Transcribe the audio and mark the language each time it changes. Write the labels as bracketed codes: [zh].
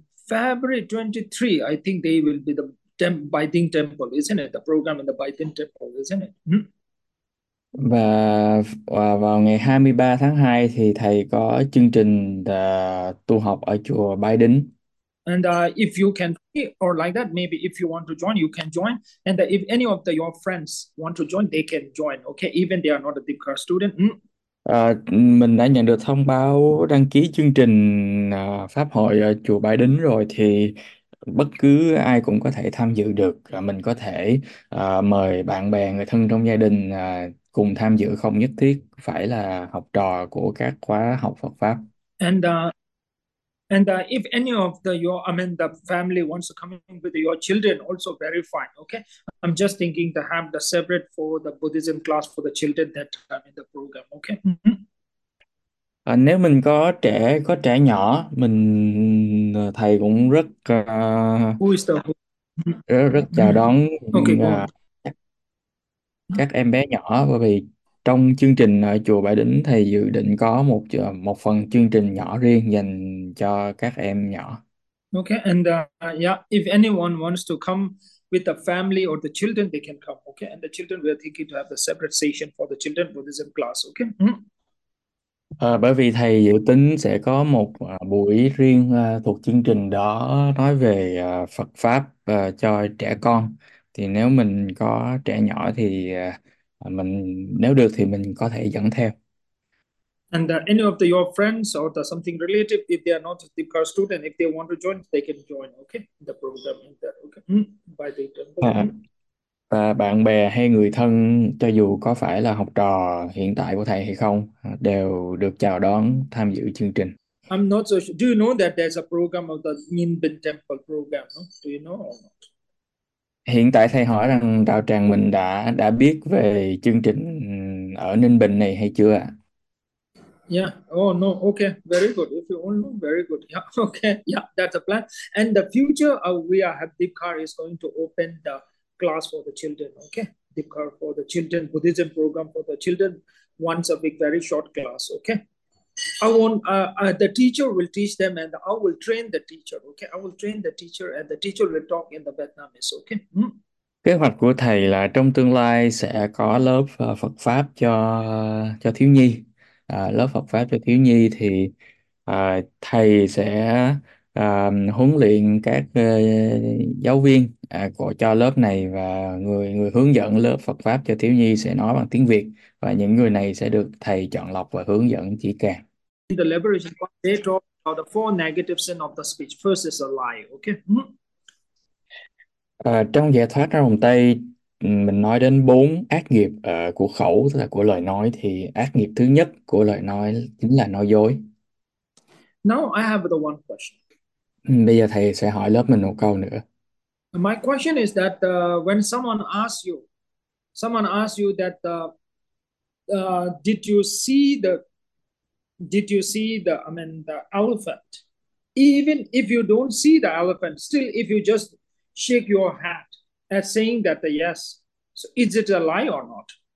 [en] February 23, I think they will be the Biden Temple, isn't it? The program in the Biden Temple, isn't it? [vi] Và vào ngày 23 tháng 2 thì thầy có chương trình tu học ở chùa Bái Đính. [en] And if you can pay or like that, maybe if you want to join, you can join. And if any of the your friends want to join, they can join. Okay, even they are not a Deepcare student. [vi] À, mình đã nhận được thông báo đăng ký chương trình pháp hội chùa Bái Đính rồi, thì bất cứ ai cũng có thể tham dự được. Mình có thể mời bạn bè người thân trong gia đình cùng tham dự, không nhất thiết phải là học trò của các khóa học Phật pháp. [en] And if any of the your, I mean, the family wants to come in with your children, also very fine. Okay, I'm just thinking to have the separate for the Buddhism class for the children that are in the program. Okay. [vi] À, nếu mình có trẻ nhỏ, mình thầy cũng rất [en] Who is the [vi] rất rất chào đón [en] Okay, go on. [vi] các em bé nhỏ, bởi vì trong chương trình ở chùa Bái Đính thầy dự định có một phần chương trình nhỏ riêng dành cho các em nhỏ. [en] Okay, and yeah, if anyone wants to come with the family or the children, they can come. Okay, and the children we are thinking to have the separate session for the children Buddhism class. Okay. [vi] À, bởi vì thầy dự tính sẽ có một buổi riêng thuộc chương trình đó nói về Phật pháp cho trẻ con, thì nếu mình có trẻ nhỏ thì mình nếu được thì mình có thể dẫn theo. [en] And any of the, your friends or the something related, if they are not a Deepcare student, if they want to join, they can join, okay? The program in there, okay? By the temple. [vi] À, và bạn bè hay người thân, cho dù có phải là học trò hiện tại của thầy hay không, đều được chào đón tham dự chương trình. [en] I'm not so sure. Do you know that there's a program of the Nyingben Temple program? No? Do you know or not? [vi] Hiện tại thầy hỏi rằng đạo tràng mình đã biết về chương trình ở Ninh Bình này hay chưa ạ? [en] Yeah. Oh no. Okay. Very good. If you want, very good. Yeah. Okay. Yeah. That's a plan. And the future, we are have Deepcar is going to open the class for the children. Okay. Deepcar for the children Buddhism program for the children once a week, very short class. Okay. I won't. The teacher will teach them, and I will train the teacher. Okay. I will train the teacher, and the teacher will talk in the Vietnamese. Okay. [vi] Kế hoạch của thầy là trong tương lai sẽ có lớp Phật pháp cho thiếu nhi. À, lớp Phật pháp cho thiếu nhi thì thầy sẽ huấn luyện các giáo viên của cho lớp này, và người người hướng dẫn lớp Phật pháp cho thiếu nhi sẽ nói bằng tiếng Việt, và những người này sẽ được thầy chọn lọc và hướng dẫn kỹ càng. [en] In the liberation part, they talk about the four negative sin of the speech. First is a lie, okay? [vi] À, trong giải thoát ra vòng tay mình nói đến bốn ác nghiệp của khẩu, tức là của lời nói, thì ác nghiệp thứ nhất của lời nói chính là nói dối. [en] Now I have the one question. [vi] Bây giờ thầy sẽ hỏi lớp mình một câu nữa. [en] My question is that when someone asks you that did you see the, I mean, the elephant? Even if you don't see the elephant, still, if you just shake your hand as saying that yes, so is it a lie or not?